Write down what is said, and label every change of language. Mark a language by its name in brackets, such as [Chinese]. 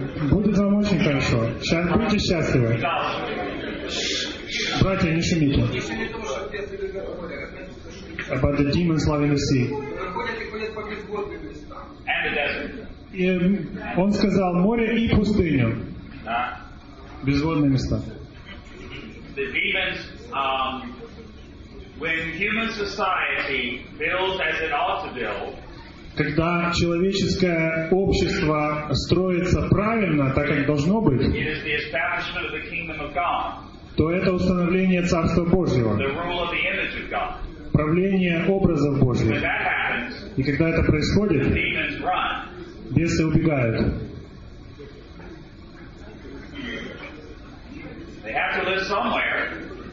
[Russian] Будет вам очень хорошо. Сейчас будете счастливы. Братья, не шумите. [English] About the demons loving the sea. [Russian] И он сказал море и пустыню. Безводные места. [English] The demons, when human society builds as it ought to build, [Russian] когда человеческое общество строится правильно, так как должно быть, [English] it is the establishment of the kingdom of God. [Russian] То это установление Царства Божьего. [English] The rule of the image of God. [Russian] Правление образов Божьих. [English] When that happens, [Russian] и когда это происходит, [English] the demons run. [Russian] Бесы убегают. [English] They have to live somewhere.